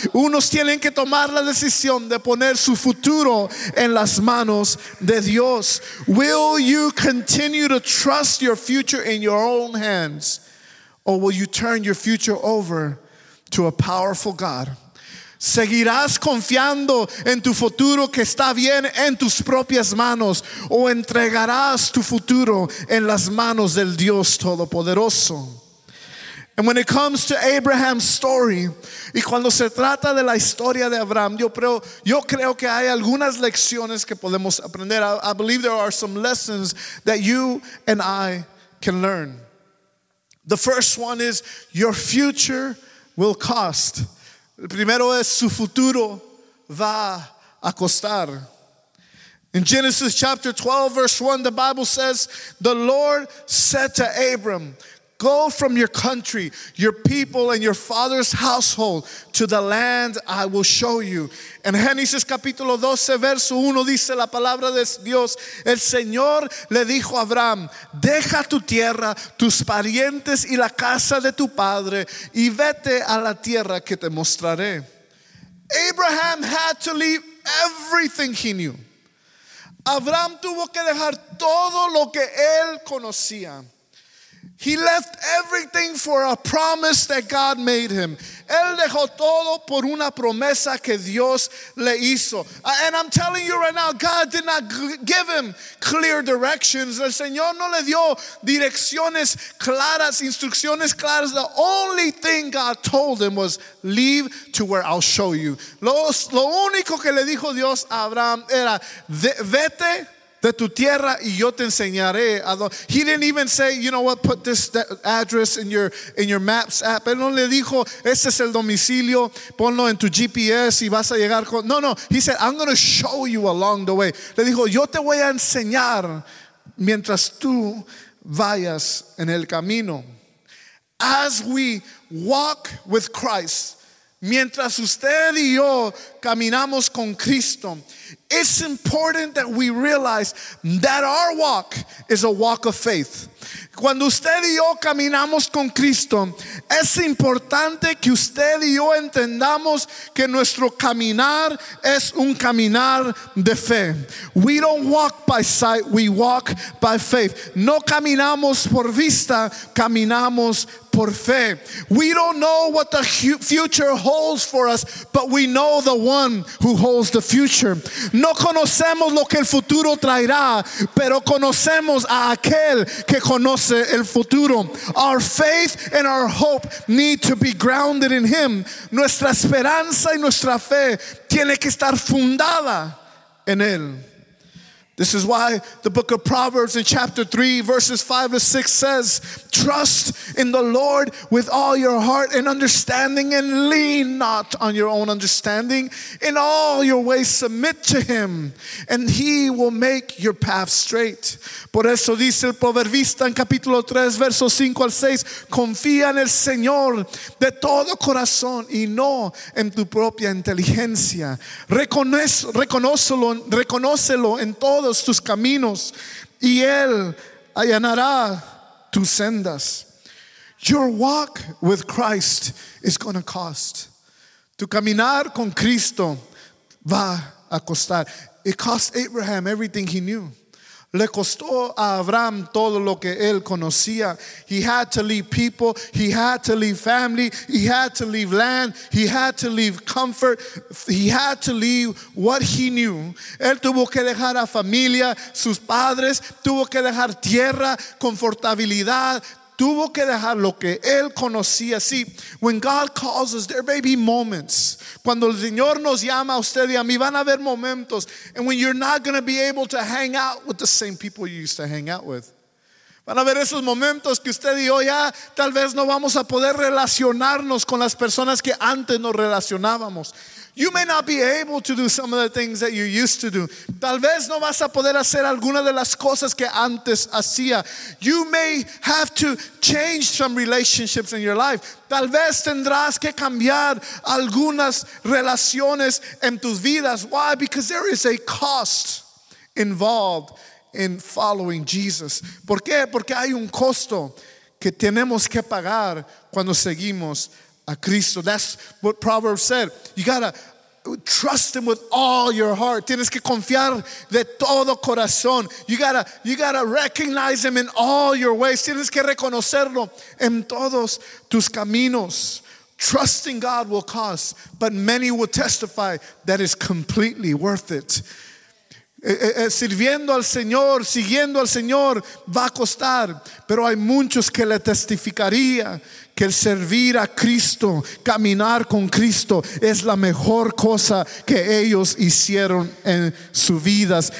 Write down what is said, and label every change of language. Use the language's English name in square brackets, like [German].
[Spanish] Unos tienen que tomar la decisión de poner su futuro en las manos de Dios. [English] Will you continue to trust your future in your own hands? Or will you turn your future over to a powerful God? [Spanish] ¿Seguirás confiando en tu futuro que está bien en tus propias manos? ¿O entregarás tu futuro en las manos del Dios Todopoderoso? [English] And when it comes to Abraham's story, [Spanish] y cuando se trata de la historia de Abraham, yo creo que hay algunas lecciones que podemos aprender. [English] I believe there are some lessons that you and I can learn. The first one is your future will cost. [Spanish] El primero es su futuro va a costar. [English] In Genesis chapter 12 verse 1, the Bible says, "The Lord said to Abram, 'Go from your country, your people, and your father's household to the land I will show you.'" [Spanish] En Génesis capítulo 12 verso 1 dice la palabra de Dios: "El Señor le dijo a Abraham: Deja tu tierra, tus parientes y la casa de tu padre y vete a la tierra que te mostraré." [English] Abraham had to leave everything he knew. [Spanish] Abraham tuvo que dejar todo lo que él conocía. [English] He left everything for a promise that God made him. [Spanish] Él dejó todo por una promesa que Dios le hizo. [English] And I'm telling you right now, God did not give him clear directions. [Spanish] El Señor no le dio direcciones claras, instrucciones claras. [English] The only thing God told him was, "Leave to where I'll show you." [Spanish] Lo único que le dijo Dios a Abraham era, "Vete de tu tierra y yo te enseñaré." [English] He didn't even say, "You know what, put this address in your maps app." [Spanish] Él no le dijo, "Este es el domicilio, ponlo en tu GPS y vas a llegar con..." [English] No, he said, "I'm going to show you along the way." [Spanish] Le dijo, "Yo te voy a enseñar mientras tú vayas en el camino." [English] As we walk with Christ, [Spanish] mientras usted y yo caminamos con Cristo, [English] it's important that we realize that our walk is a walk of faith. [Spanish] Cuando usted y yo caminamos con Cristo, es importante que usted y yo entendamos que nuestro caminar es un caminar de fe. [English] We don't walk by sight, we walk by faith. [Spanish] No caminamos por vista, caminamos por fe. [English] We don't know what the future holds for us, but we know the one who holds the future. [Spanish] No conocemos lo que el futuro traerá, pero conocemos a aquel que conoce el futuro. [English] Our faith and our hope need to be grounded in him. [Spanish] Nuestra esperanza y nuestra fe tiene que estar fundada en él. [English] This is why the book of Proverbs in chapter 3, verses 5 to 6 says, trust in the Lord with all your heart and understanding, and lean not on your own understanding. In all your ways submit to him, and he will make your path straight. [Spanish] Por eso dice el proverbista en capítulo 3, versos 5 al 6, confía en el Señor de todo corazón y no en tu propia inteligencia. Reconócelo en todos tus caminos y él allanará tus sendas. [English] Your walk with Christ is going to cost. [Spanish] Tu caminar con Cristo va a costar. [English] It cost Abraham everything he knew. [Spanish] Le costó a Abraham todo lo que él conocía. [English] He had to leave people. He had to leave family. He had to leave land. He had to leave comfort. He had to leave what he knew. [Spanish] Él tuvo que dejar a familia, sus padres. Tuvo que dejar tierra, confortabilidad. Tuvo que dejar lo que él conocía. [English] See, when God calls us, there may be moments. [Spanish] Cuando el Señor nos llama a usted y a mí, van a haber momentos. [English] And when you're not going to be able to hang out with the same people you used to hang out with. [Spanish] Van a haber esos momentos que usted y yo ya tal vez no vamos a poder relacionarnos con las personas que antes nos relacionábamos. [English] You may not be able to do some of the things that you used to do. [Spanish] Tal vez no vas a poder hacer alguna de las cosas que antes hacía. [English] You may have to change some relationships in your life. [Spanish] Tal vez tendrás que cambiar algunas relaciones en tus vidas. [English] Why? Because there is a cost involved in following Jesus. [Spanish] ¿Por qué? Porque hay un costo que tenemos que pagar cuando seguimos a Cristo. [English] That's what Proverbs said. You gotta trust him with all your heart. [Spanish] Tienes que confiar de todo corazón. [English] You gotta recognize him in all your ways. [Spanish] Tienes que reconocerlo en todos tus caminos. [English] Trusting God will cost, but many will testify that it's completely worth it. [Spanish] Sirviendo al Señor, siguiendo al Señor, va a costar, pero hay muchos que le testificaría que el servir a Cristo, caminar con Cristo, es la mejor cosa que ellos hicieron en sus vidas.